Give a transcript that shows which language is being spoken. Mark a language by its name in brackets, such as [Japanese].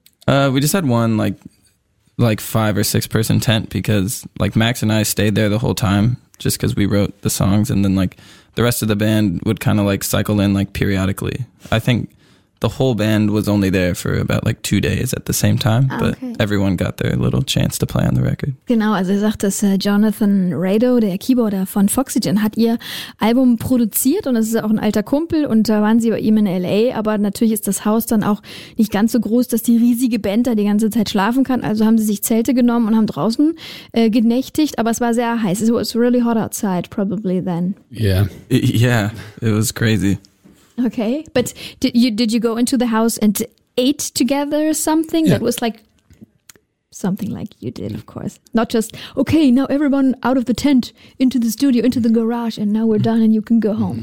[English] We just had one like 5 or 6 person tent because like Max and I stayed there the whole time just because we wrote the songs and then like the rest of the band would kind of like cycle in like periodically. I think the whole band was only there for about like 2 days at the same time, but everyone got their little chance to play on the record. [German] Genau, also sagt das Jonathan Rado, der Keyboarder von Foxygen, hat ihr Album produziert und es ist auch ein alter Kumpel und da waren sie bei ihm in L.A., aber natürlich ist das Haus dann auch nicht ganz so groß, dass die riesige Band da die ganze Zeit schlafen kann. Also haben sie sich Zelte genommen und haben draußen genächtigt, aber es war sehr heiß. [English] It was really hot outside probably then. Yeah, it was crazy. Okay, but did you go into the house and ate together something? Yeah. That was like something like you did, of course. Not just, okay, now everyone out of the tent, into the studio, into the garage, and now we're done and you can go home.